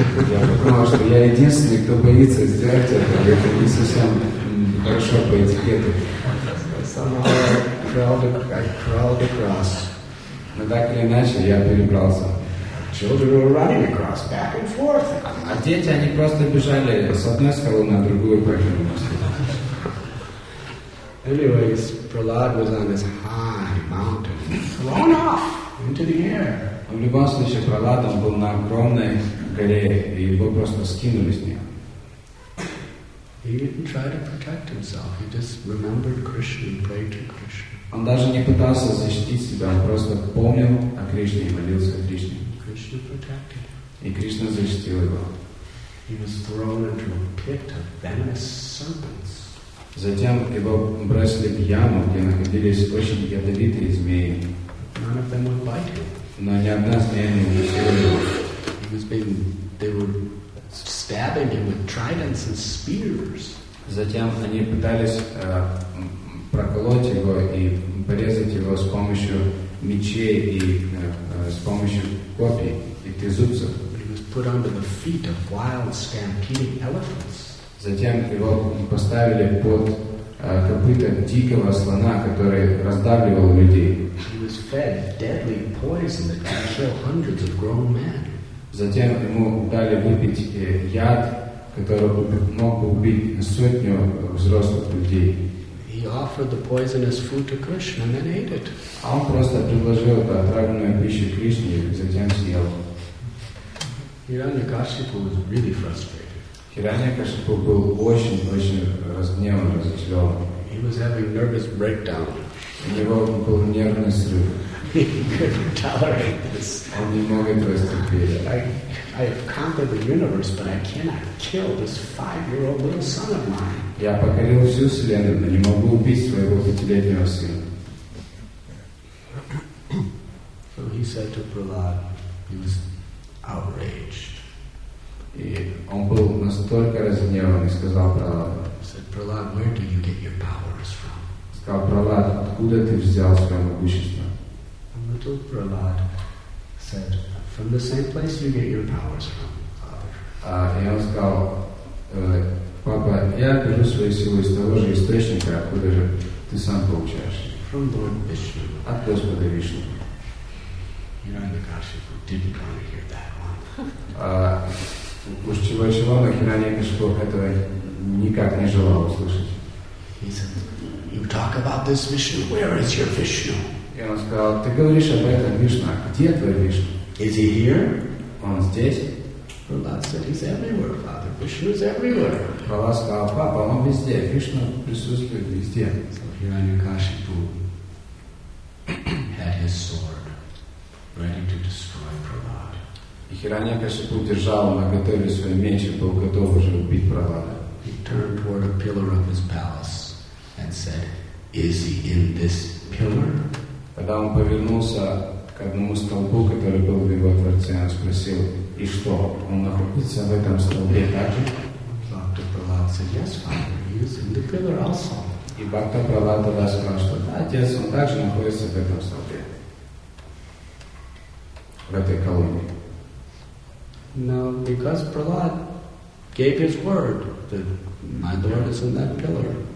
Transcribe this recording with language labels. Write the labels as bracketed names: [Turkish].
[Russian] Потому что я единственный, кто боится сделать это, это не совсем хорошо по этикету. [English] Somehow I crawled across. [Russian] Но так или иначе, я перебрался. [English] Children were running across, back and forth. [Russian] А дети, они просто бежали с одной скалы на другую по этому мосту. [English] Anyways, Prahlad was on this high mountain, thrown off into the air. [Russian] В любом случае, Прохлад был на огромной горе, и его просто скинули с нее. [English] He didn't try to protect himself. He just remembered Krishna and prayed to Krishna. [Russian] Он даже не пытался защитить себя, он просто помнил о Кришне и молился о Кришне. [English] Krishna protected him. [Russian] И Кришна защитил его. [English] He was thrown into a pit of venomous serpents. [Russian] Затем его бросили в яму, где находились очень ядовитые змеи. [English] None of them would bite him. [Russian] Но ни одна змея не укусила его. [English] He was being, they were stabbing him with tridents and spears. [Russian] Затем они пытались проколоть его и порезать его с помощью мечей и с помощью копий и трезубцев. [English] He was put under the feet of wild stampeding elephants. [Russian] Затем его поставили под копыта дикого слона, который раздавливал людей. [English] He was fed deadly poison that could kill hundreds of grown men. [Russian] Затем ему дали выпить яд, который мог убить сотню взрослых людей. [English] He offered the poisonous food to Krishna and then ate it. [Russian] А он просто предложил отравленную пищу Кришне, затем. [English] Hiranyakashipu was really frustrated. [Russian] Hiranyakashipu был очень-очень разгневан, разочарован. [English] He was having nervous breakdown. [Russian] У него был нервный срыв. [English] He couldn't tolerate this. I have conquered the universe, but I cannot kill this 5-year-old little son of mine. [Russian] Я покорил всю вселенную, но не могу убить своего 5-летнего сына. [English] So he said to Prahlad, he was outraged. [Russian] И он был настолько разгневан и сказал Прахладу. [English] Said Prahlad, where do you get your powers from? [Russian] Сказал Прахлад, откуда ты взял свое могущество? [English] Little Prahlad said, "From the same place you get your powers from, Father." [Russian] He сказал, "Папа, я беру свои силы из того же источника, откуда же ты сам получаешь." [English] From Lord Vishnu. [Russian] От Господа Вишну. [English] Hiranyakashipu didn't want to hear that one. [Russian] Уж чего чего, но Hiranyakashipu этого никак не желал услышать. [English] He said, "You talk about this Vishnu. Where is your Vishnu?" [Russian] И он сказал, ты говоришь об этом, Вишна, а где твой Вишна? [English] Is he here? [Russian] Он здесь. [English] Prahlad said, he's everywhere, Father. Vishnu is everywhere. [Russian] Prahlad сказал, папа, он везде, Вишна присутствует везде. [English] So Hiranyakashipu had his sword ready to destroy Prahlad. [Russian] И Hiranyakashipu держал на готове свой меч и был готов уже убить Prahlada. [English] He turned toward a pillar of his palace and said, is he in this pillar? [Russian] Когда он повернулся к одному столбу, который был в его дворце, он спросил, и что, он находится в этом столбе также? [English] Бхакта Прахлад said, yes, father, he is in the pillar also. [Russian] И Бхакта Прахлад тогда сказал, что да, отец, он также находится в этом столбе, в этой колонии. [English] Now, because Prahlad gave his word that my Lord is in that pillar.